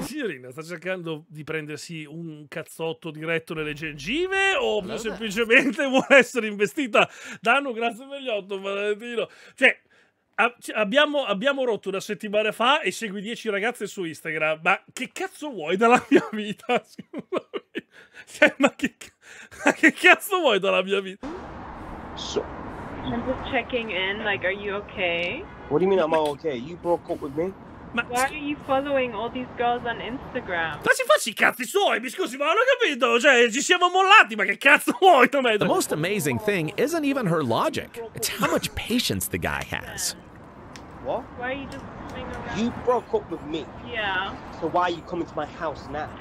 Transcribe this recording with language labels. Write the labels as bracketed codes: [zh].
[it] Signorina, sta cercando di prendersi un cazzotto diretto nelle gengive o più semplicemente vuole essere investita? Danu, grazie per gli 8, Valentino. Cioè, abbiamo rotto una settimana fa e segui 10 ragazze su Instagram. Ma che cazzo vuoi dalla mia vita? Cioè, ma che cazzo vuoi dalla mia vita? [en] So. I'm just checking in, like, are you okay? What do you mean I'm all okay? You broke up with me? Ma why are you following all these girls on Instagram? [it] Ma si faccia i cazzi suoi, mi scusi, ma non ho capito, cioè, ci siamo mollati, ma che cazzo vuoi da me? [en] The most amazing thing isn't even her logic, it's how much patience the guy has. What? Why are you just coming around? You broke up with me. Yeah. So why are you coming to my house now?